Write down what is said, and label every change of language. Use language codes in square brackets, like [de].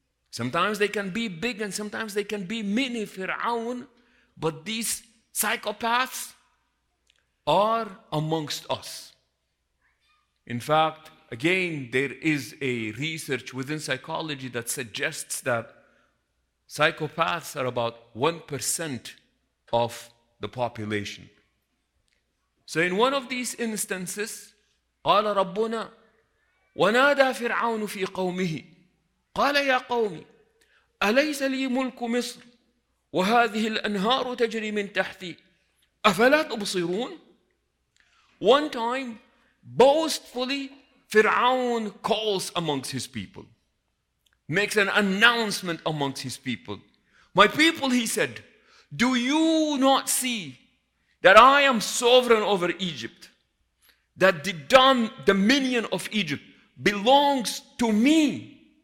[en] Sometimes they can be big and sometimes they can be mini Fir'aun, but these psychopaths are amongst us. In fact, again, there is a research within psychology that suggests that psychopaths are about 1% of the population. So in one of these instances, [ar] قَالَ رَبُّنَا وَنَادَى فِرْعَوْنُ فِي قَوْمِهِ قال يا قومي أليس لي ملك مصر وهذه الأنهار تجري من تحتي أفلا تبصرون. [en] One time, boastfully, Fir'aun calls amongst his people, makes an announcement amongst his people. My people, he said, do you not see that I am sovereign over Egypt, that the dominion of Egypt belongs to me?